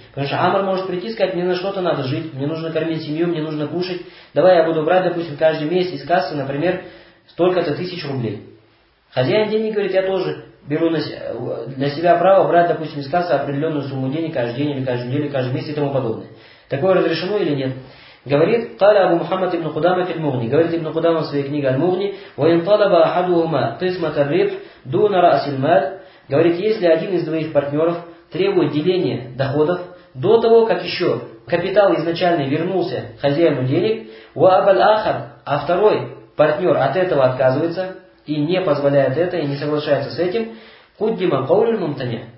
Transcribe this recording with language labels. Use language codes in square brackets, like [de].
[ru] Потому что Амар может прийти и сказать, мне на что-то надо жить, мне нужно кормить семью, мне нужно кушать. Давай я буду брать, допустим, каждый месяц из кассы, например, столько-то тысяч рублей. Хозяин денег говорит, я тоже беру для себя право брать, допустим, из кассы определенную сумму денег каждый день, или каждую неделю, каждый месяц и тому подобное. Такое разрешено или нет? Говорит, [ar] قال أبو محمد ابن قدامة المغني. [ru] Говорит ابن قدامة в своей книге «Аль-Мугни». [ar] وَإِنْ طَلَبَ أَحَدُهُمَا قِسْمَةَ الرِّبْحِ دُونَ رَأْسِ الْمَالِ. [ru] Говорит, если один из двоих партнеров требует деления доходов до того, как еще капитал изначально вернулся хозяину денег, [ar] وَأَبَ الْآخَرِ, [ru] а второй партнер от этого отказывается и не позволяет это, и не соглашается с этим, [ar] قُدِّمَ قَوْلُ الْمُمْتَنِعِ.